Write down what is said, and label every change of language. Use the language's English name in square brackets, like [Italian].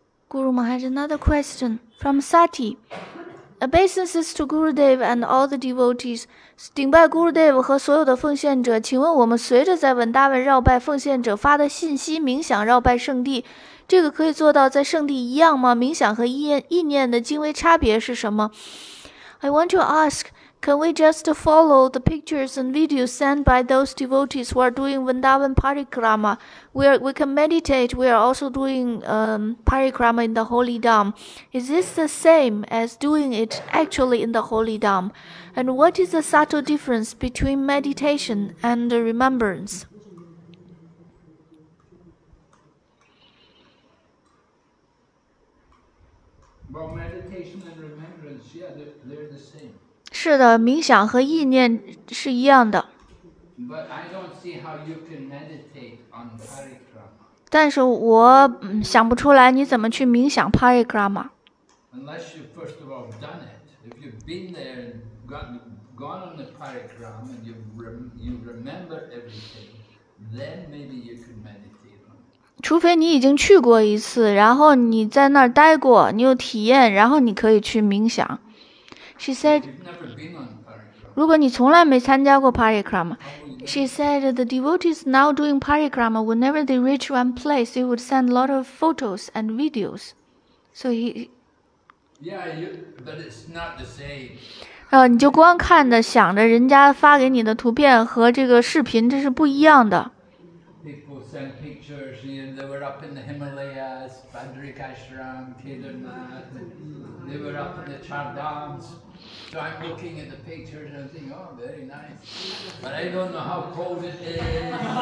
[English] Guru Maharaj, another question from Sati. Obeisances to Gurudev and all the devotees. [Chinese] 顶拜 Gurudev 和所有的奉献者，请问我们随着在文达文绕拜奉献者发的信息冥想绕拜圣地，这个可以做到在圣地一样吗？冥想和意念的精微差别是什么？ [English] I want to ask, can we just follow the pictures and videos sent by those devotees who are doing Vrindavan Parikrama? We can meditate, we are also doing Parikrama in the Holy Dham. Is this the same as doing it actually in the Holy Dham? And what is the subtle difference between meditation and remembrance? Well, meditation and remembrance, yeah, they're the same. [Chinese] 是的，冥想和意念是一样的。 [English] But I don't see how you can meditate on Parikrama. [Chinese] 但是我想不出来你怎么去冥想 Parikrama。 [English] Unless you first of all done it. If you've been there and gone on the Parikrama and you remember everything, then maybe you can meditate on it. [Chinese] 除非你已经去过一次，然后你在那儿待过，你有体验，然后你可以去冥想。 [English] She said, [Chinese] "如果你从来没参加过 [English] Parikrama, she said the devotees now doing Parikrama, whenever they reach one place, they would send a lot of photos and videos." So he, yeah, you, but it's not the same. [Chinese] 你就光看着想着人家发给你的图片和这个视频，这是不一样的。 [English] People send pictures, and you know, they were up in the Himalayas, Bandrik Ashram, Kedarnath. They were up in the Chardams. So I'm looking at the pictures and think, oh, very nice. But I don't know how cold it is.